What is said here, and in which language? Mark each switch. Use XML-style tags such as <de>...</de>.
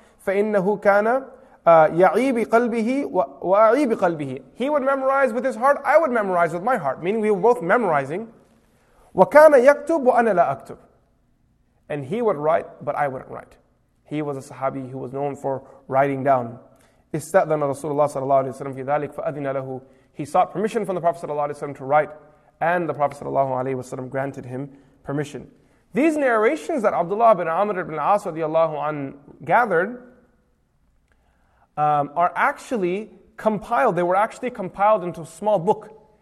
<ar>فَإِنَّهُ كَانَ يَعِيبِ قَلْبِهِ وَأَعِيبِ قَلْبِهِ.</ar> <en>He would memorize with his heart, I would memorize with my heart. Meaning we were both memorizing.</en> <ar>وَكَانَ يَكْتُبْ وَأَنَا لَا أَكْتُبْ.</ar> <en>And he would write, but I wouldn't write. He was a sahabi who was known for writing down.</en> <ar>إِسْتَأْذَنَ رَسُولُ اللَّهِ sallallahu alayhi wa sallam فِي ذَلِكَ فَأَذِنَ لَهُ.</ar> <en>He sought permission from the Prophet sallallahu alayhi wa sallam to write, and the Prophet sallallahu alayhi wa sallam granted him permission. These narrations that Abdullah bin Amr ibn As radiallahu an gathered were actually compiled into a small book.</en>